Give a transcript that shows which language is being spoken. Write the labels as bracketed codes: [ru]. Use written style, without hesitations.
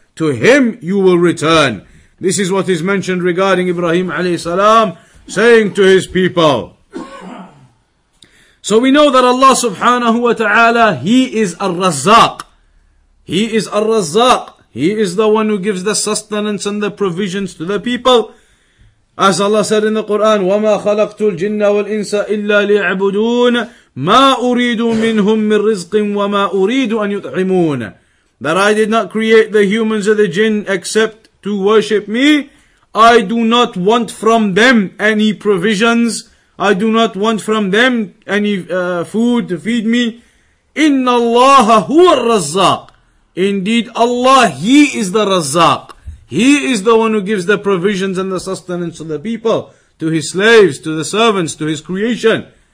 [en] To Him you will return. This is what is mentioned regarding Ibrahim alayhi salam saying to his people. So we know that Allah subhanahu wa ta'ala, He is Ar-Razzaq. He is Ar-Razzaq. He is the one who gives the sustenance and the provisions to the people. As Allah said in the Quran, [ar] وَمَا خَلَقْتُ الْجِنَّ وَالْإِنسَ إِلَّا لِيَعْبُدُونَ مَا أُرِيدُ مِنْهُم مِّن رِزْقٍ وَمَا أُرِيدُ أَن يُطْعِمُونَ. [en] That I did not create the humans or the jinn except to worship me. I do not want from them any provisions. I do not want from them any food to feed me. [ar] إِنَّ اللَّهَ هُوَ الرَّزَّاقُ. [en] Indeed Allah, He is the Razzaq. He is the one who gives the provisions and the sustenance to the people, to His slaves, to the servants, to His creation.